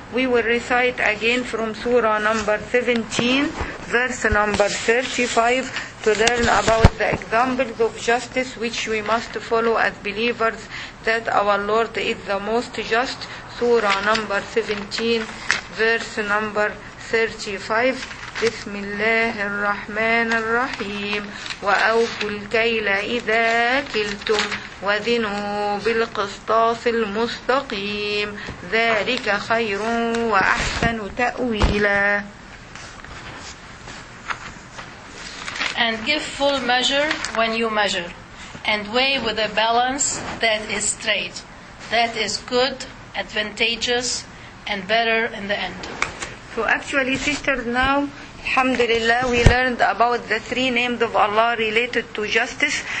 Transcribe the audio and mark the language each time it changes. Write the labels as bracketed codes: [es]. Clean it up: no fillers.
[en] We will recite again from Surah number 17, verse number 35, to learn about the examples of justice which we must follow as believers, that our Lord is the most just. Surah number 17, verse number 35. [ar] بسم الله الرحمن الرحيم وأوفوا الكيل إذا كلتم وذنوا بالقسطاس المستقيم ذلك خير وأحسن تأويلا. [en] And give full measure when you measure, and weigh with a balance that is straight, that is good, advantageous, and better in the end. So actually, sisters, now Alhamdulillah, we learned about the three names of Allah related to justice.